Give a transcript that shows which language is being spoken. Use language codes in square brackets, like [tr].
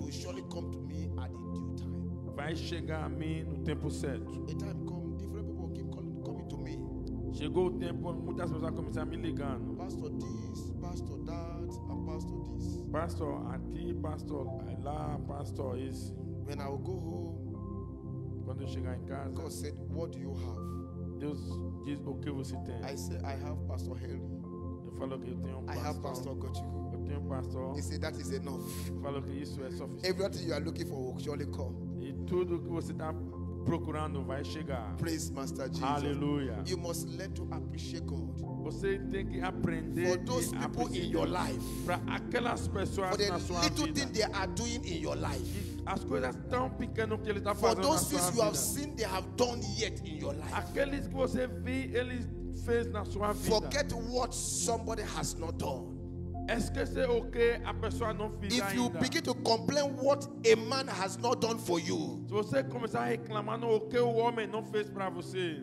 [en] It will surely come to me at the due time. [pt] Vai chegar a mim no tempo certo. [en] A time come, different people keep coming to me. [pt] Chegou o tempo, muitas pessoas começaram a me ligando. [en] Pastor this, pastor that, and pastor this. [pt] Pastor aqui, pastor lá, pastor esse. [en] When I will go home, [pt] quando eu chegar em casa, [en] God said, "What do you have?" [pt] Deus diz o que você tem. [en] I said, I have Pastor Henry. [pt] Eu falo que eu tenho um pastor. [en] I have Pastor Gotchi. [pt] Eu tenho um pastor. [en] He said, that is enough. [pt] Falo que isso é suficiente. [en] Everything you are looking for will surely come. [pt] E tudo que você está procurando vai chegar. [en] Praise Master Jesus. [pt] Hallelujah. [en] You must learn to appreciate God. [pt] Você tem que aprender [en] for those people in your life. [pt] Para aquelas pessoas [en] for the [pt] na sua [en] little [pt] vida. [en] Thing they are doing in your life. [pt] As coisas tão pequenas que ele está [en] for [pt] fazendo [en] those things [pt] vida. [en] You have seen they have done yet in your life. [pt] Aqueles que você viu ele fez na sua vida. [en] Forget what somebody has not done. [pt] Esquece o que a pessoa não fez ainda. [en] If you begin to complain what a man has not done for you, [pt] se você começar a reclamar o que o homem não fez para você,